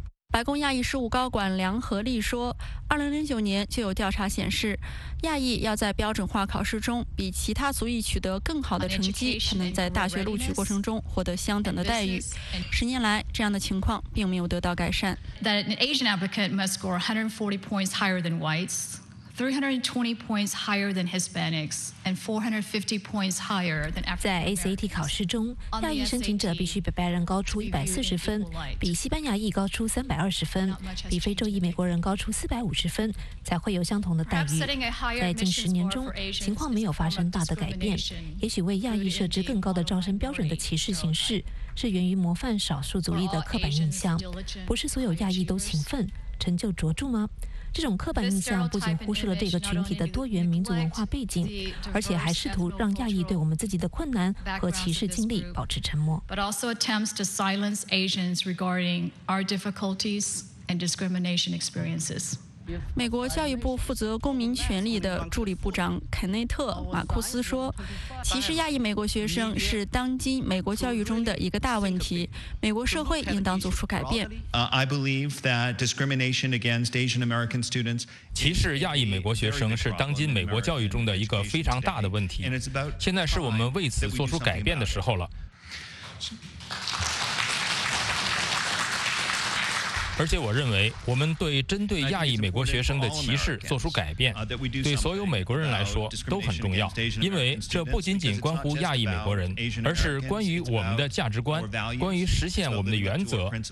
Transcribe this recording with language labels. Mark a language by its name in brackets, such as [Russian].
[Chinese] 白宫亚裔事务高管梁和利说，2009年就有调查显示，亚裔要在标准化考试中比其他族裔取得更好的成绩，才能在大学录取过程中获得相等的待遇。十年来，这样的情况并没有得到改善。 [English] That an Asian applicant must score 140 points higher than whites, 320 points higher than Hispanics, and 450 points higher than African Americans. [Chinese] 在 ACT 考试中，亚裔申请者必须比白人高出140分，比西班牙裔高出320分，比非洲裔美国人高出450分，才会有相同的待遇。在近十年中，情况没有发生大的改变。也许为亚裔设置更高的招生标准的歧视形式，是源于模范少数族裔的刻板印象。不是所有亚裔都勤奋、成就卓著吗？这种刻板印象不仅忽视了这个群体的多元民族文化背景，而且还试图让亚裔对我们自己的困难和歧视经历保持沉默。 [English] But also attempts to silence Asians regarding our difficulties and discrimination experiences. [Chinese] 美国教育部负责公民权利的助理部长肯内特·马库斯说，歧视亚裔美国学生是当今美国教育中的一个大问题，美国社会应当做出改变。 [English] I believe that discrimination against Asian American students [Chinese] 歧视亚裔美国学生是当今美国教育中的一个非常大的问题，现在是我们为此做出改变的时候了。而且我认为我们对针对亚裔美国学生的歧视做出改变，对所有美国人来说都很重要，因为这不仅仅关乎亚裔美国人，而是关于我们的价值观，关于实现我们的原则。